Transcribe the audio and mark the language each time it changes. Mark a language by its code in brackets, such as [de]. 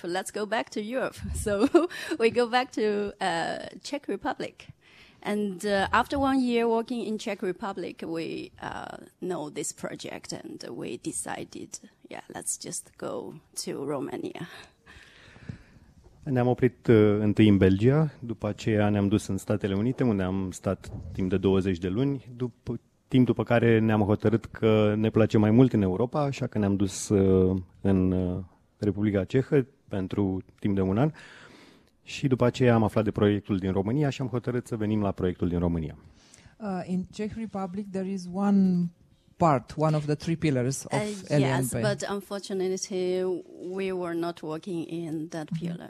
[en] Let's go back to Europe. So we go back to Czech Republic. And after 1 year working in Czech Republic, we know this project and we decided, yeah, let's just go to Romania. [ro] Ne-am oprit întâi în Belgia, după aceea ne-am dus în Statele Unite, unde am stat timp de 20 de luni, după care ne-am hotărât că ne place mai mult în Europa, așa că ne-am dus în Republica Cehă pentru timp de un an. Și după aceea am aflat de proiectul din România și am hotărât să venim la proiectul din România. [en] In Czech Republic there is one part, one of the three pillars of LNP. Yes, but unfortunately we were not working in that pillar.